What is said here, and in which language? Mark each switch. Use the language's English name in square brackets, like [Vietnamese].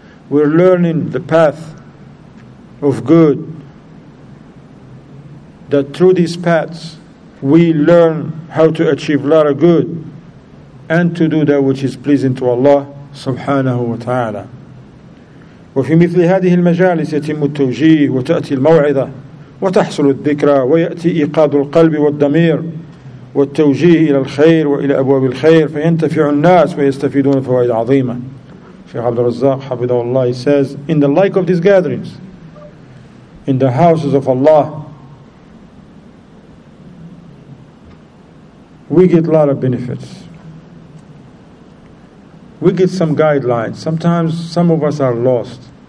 [English] We're learning the path of good. That through these paths, we learn how to achieve a lot of good and to do that which is pleasing to Allah subhanahu wa ta'ala. [Arabic] وفي مثل هذه المجالس يتم التوجيه وتأتي الموعظة وتحصل الذكرى ويأتي إيقاد القلب والضمير والتوجيه إلى الخير وإلى أبواب الخير فينتفع الناس ويستفيدون فوائد عظيمة. [English] Sheikh Abdul Razzaq [Arabic] حفظه الله [English] says, in the like of these gatherings, in the houses of Allah, we get a lot of benefits. We get some guidelines. Sometimes some of us are lost.